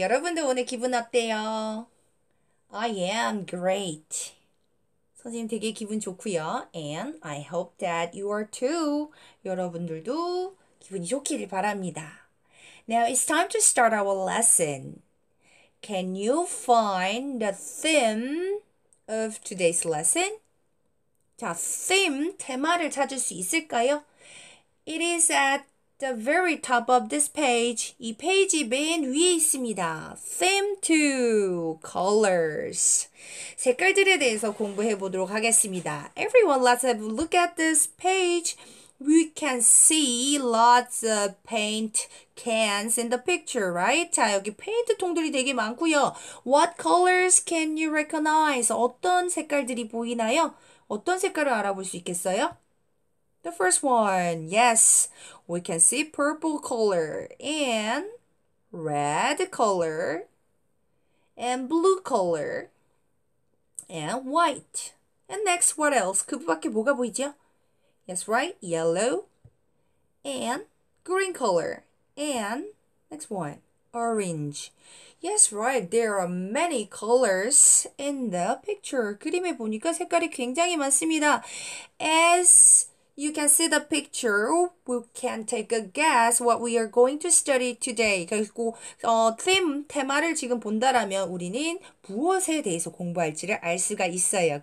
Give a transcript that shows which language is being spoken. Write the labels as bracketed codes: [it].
[ko] 여러분들 오늘 기분 어때요? [en] I am great. [ko] 선생님 되게 기분 좋고요. [en] And I hope that you are too. [ko] 여러분들도 기분이 좋기를 바랍니다. [en] Now it's time to start our lesson. Can you find the theme of today's lesson? [ko] 자, theme, 테마를 찾을 수 있을까요? [en] It is at the very top of this page. [ko] 이 페이지 맨 위에 있습니다. [en] Theme to colors. [ko] 색깔들에 대해서 공부해 보도록 하겠습니다. [en] Everyone, let's have a look at this page. We can see lots of paint cans in the picture, right? [ko] 자, 여기 페인트 통들이 되게 많고요. [en] What colors can you recognize? [ko] 어떤 색깔들이 보이나요? 어떤 색깔을 알아볼 수 있겠어요? [en] The first one, yes, we can see purple color and red color and blue color and white. And next, what else? [ko] 그 밖에 뭐가 보이죠? [en] Yes, right, yellow and green color and next one, orange. Yes, right, there are many colors in the picture. [ko] 그림에 보니까 색깔이 굉장히 많습니다. [en] As you can see the picture. We can take a guess what we are going to study today. [ko] 그리고 테마를 지금 본다라면 우리는 무엇에 대해서 공부할지를 알 수가 있어요.